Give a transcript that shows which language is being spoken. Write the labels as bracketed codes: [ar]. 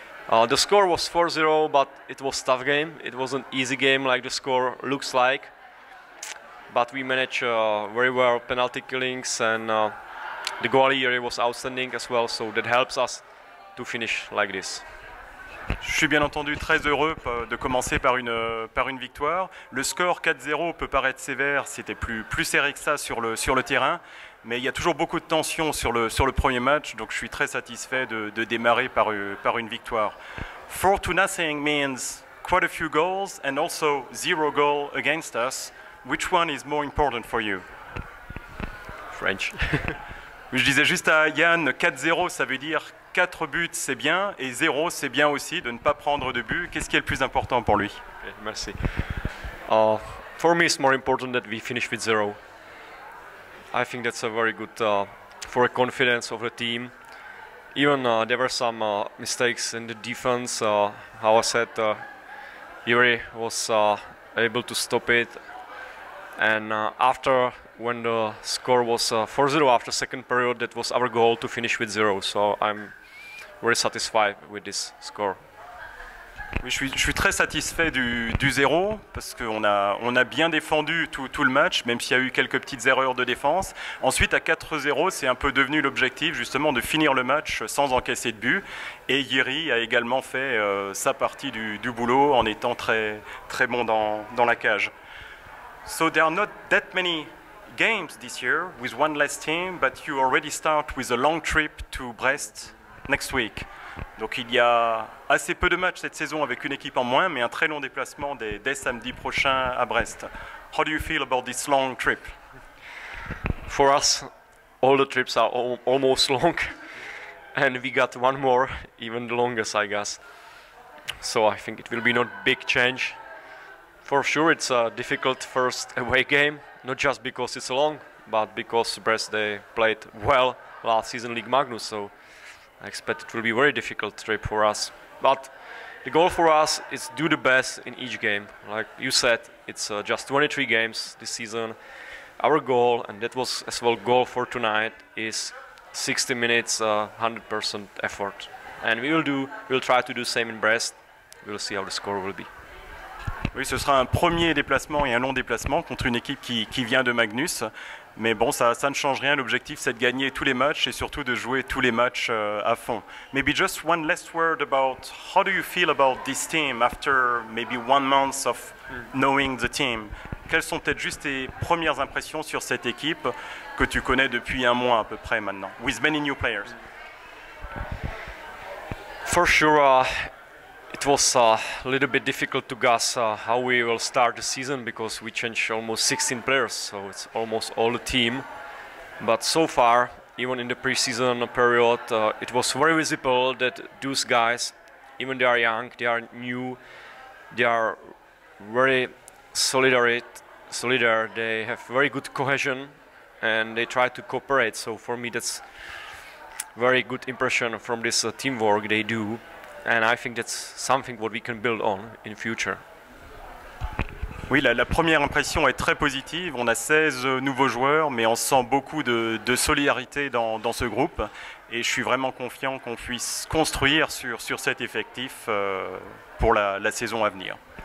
[en] The score was 4-0, but it was a tough game. It wasn't easy game like the score looks like. But we managed very well penalty killings, and the goalie was outstanding as well, so that helps us to finish like this. [fr] Je suis bien entendu très heureux de commencer par une victoire. Le score 4-0 peut paraître sévère, c'était plus serré que ça sur le terrain, mais il y a toujours beaucoup de tension sur le premier match, donc je suis très satisfait de démarrer par une victoire. [en] 4-0 means quite a few goals and also zero goal against us. Which one is more important for you? French. [fr] Je disais juste à Yann, 4-0, ça veut dire 4 buts, c'est bien, et 0, c'est bien aussi de ne pas prendre de but. Qu'est-ce qui est le plus important pour lui? Okay, merci. [en] For me, it's more important that we finish with 0. I think that's a very good for a confidence of the team. Even there were some mistakes in the defense. How I said, Yuri was able to stop it. And after, when the score was 4-0 after second period, that was our goal to finish with 0. So I'm very satisfied with this score. [fr] Oui, je suis très satisfait du zéro parce qu'on a bien défendu tout le match, même s'il y a eu quelques petites erreurs de défense. Ensuite, à 4-0, c'est un peu devenu l'objectif justement de finir le match sans encaisser de but. Et Yuri a également fait sa partie du boulot en étant très, très bon dans la cage. [en] So there are not that many games this year with one less team, but you already start with a long trip to Brest next week. [fr] Donc il y a assez peu de matchs cette saison avec une équipe en moins, mais un très long déplacement dès samedi prochain à Brest. [en] How do you feel about this long trip? For us, all the trips are almost long, and we got one more, even the longest, I guess. So I think it will be not big change. For sure, it's a difficult first away game, not just because it's long, but because Brest they played well last season League Magnus. So I expect it will be a very difficult trip for us. But the goal for us is do the best in each game. Like you said, it's just 23 games this season. Our goal, and that was as well goal for tonight, is 60 minutes, 100% effort. And we'll try to do the same in Brest. We'll see how the score will be. [fr] Oui, ce sera un premier déplacement et un long déplacement contre une équipe qui vient de Magnus. Mais bon, ça ne change rien. L'objectif, c'est de gagner tous les matchs et surtout de jouer tous les matchs à fond. [en] Maybe just one last word about how do you feel about this team after maybe 1 month of knowing the team. [fr] Quelles sont peut-être juste tes premières impressions sur cette équipe que tu connais depuis un mois à peu près maintenant, [en] with many new players? For sure, it was a little bit difficult to guess how we will start the season because we changed almost 16 players, so it's almost all the team. But so far, even in the preseason period, it was very visible that those guys, even they are young, they are new, they are very solidary, they have very good cohesion and they try to cooperate. So for me, that's very good impression from this teamwork they do. And I think that's something what we can build on in future. [fr] Oui, la première impression est très positive. On a 16 nouveaux joueurs, mais on sent beaucoup de solidarité dans ce groupe. Et je suis vraiment confiant qu'on puisse construire sur cet effectif pour la saison à venir.